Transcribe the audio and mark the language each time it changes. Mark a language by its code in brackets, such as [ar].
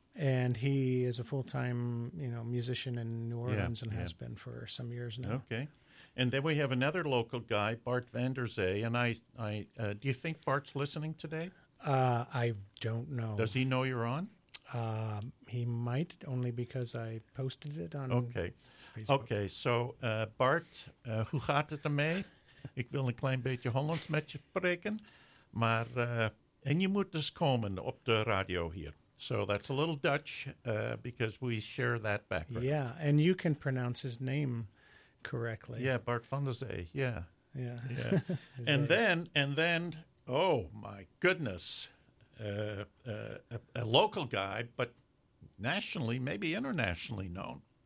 [en] And he is a full-time, musician in New Orleans has been for some years now. Okay. And then we have another local guy, Bart Vanderzee. And do you think Bart's listening today? I don't know. Does he know you're on? He might, only because I posted it on Facebook. Okay. [nl] So, Bart, hoe gaat het ermee? Ik wil een klein beetje Hollands met je spreken. Maar... En je moet dus komen op de radio hier. [en] So that's a little Dutch because we share that background. Yeah, and you can pronounce his name correctly. Yeah, Bart Vanderzee. Yeah. Yeah. and then, oh my goodness, a local guy, but nationally, maybe internationally known.